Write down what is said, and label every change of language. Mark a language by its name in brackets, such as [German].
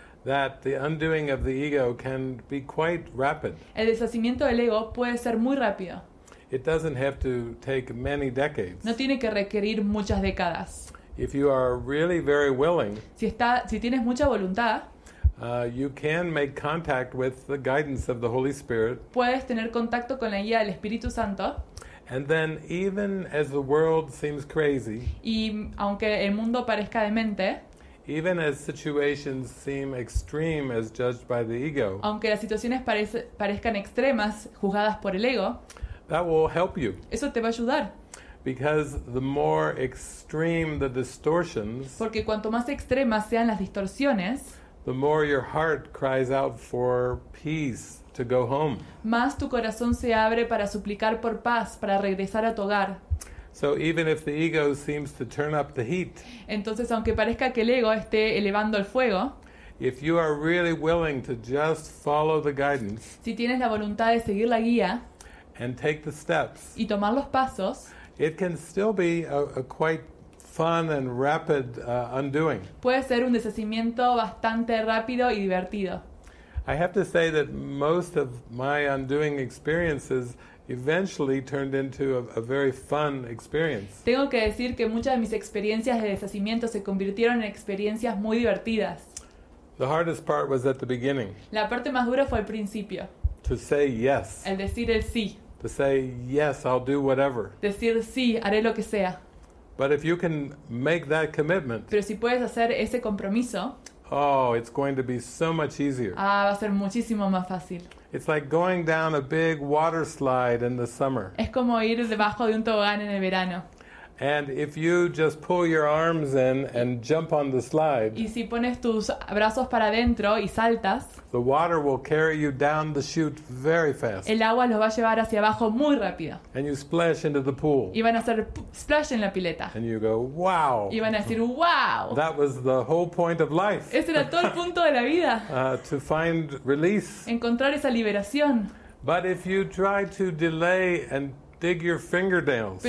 [English] That the undoing of the ego can be quite rapid. [Spanish] El deshacimiento del ego puede ser muy rápido. [English] It doesn't have to take many decades. [Spanish] No tiene que requerir muchas décadas. [English] If you are really very willing, [Spanish] si tienes mucha voluntad, [English] you can make contact with the guidance of the Holy Spirit. [Spanish] Puedes tener contacto con la guía del Espíritu Santo. [English] And then, even as the world seems crazy, [Spanish] y aunque el mundo parezca demente, [English] even as situations seem extreme as judged by the ego, [Spanish] aunque las situaciones parezcan extremas juzgadas por el ego, [English] that will help you. [Spanish] Eso te va a ayudar. [English] Because the more extreme the distortions, [Spanish] porque cuanto más extremas sean las distorsiones, [English] the more your heart cries out for peace to go home. [Spanish] Más tu corazón se abre para suplicar por paz, para regresar a tu hogar. [English] So even if the ego seems to turn up the heat, [Spanish] entonces aunque parezca que el ego esté elevando el fuego, [English] if you are really willing to just follow the guidance, [Spanish] si tienes la voluntad de seguir la guía, [English] and take the steps, [Spanish] y tomar los pasos, [English] it can still be a quite fun and rapid undoing. [Spanish] Puede ser un deshacimiento bastante rápido y divertido. [English] I have to say that most of my undoing experiences eventually turned into a very fun experience. [Spanish] Tengo que decir que muchas de mis experiencias de deshacimiento se convirtieron en experiencias muy divertidas. [English] The hardest part was at the beginning. [Spanish] La parte más dura fue al principio. [English] To say yes. [Spanish] El decir el sí. [English] To say yes, I'll do whatever. [Spanish] Decir sí, haré lo que sea. [English] But if you can make that commitment. [Spanish] Pero si puedes hacer ese compromiso. [English] Oh, it's going to be so much easier. [Spanish] Ah, va a ser muchísimo más fácil. [English] It's like going down a big water slide in the summer. [Spanish] Es como ir debajo de un tobogán en el verano. [English] And if you just pull your arms in and jump on the slide. [Spanish] Y si pones tus brazos para adentro y saltas. [English] The water will carry you down the chute very fast. [Spanish] El agua los va a llevar hacia abajo muy rápido. [English] And you splash into the pool. [Spanish] Y van a hacer splash en la pileta. [English] And you go, wow. [Spanish] Y van a decir, wow. [English] That was the whole point of life. [Spanish] Ese era todo el punto de la vida. [English] To find release. [Spanish] Encontrar esa liberación. [English] But if you try to delay and dig your fingernails.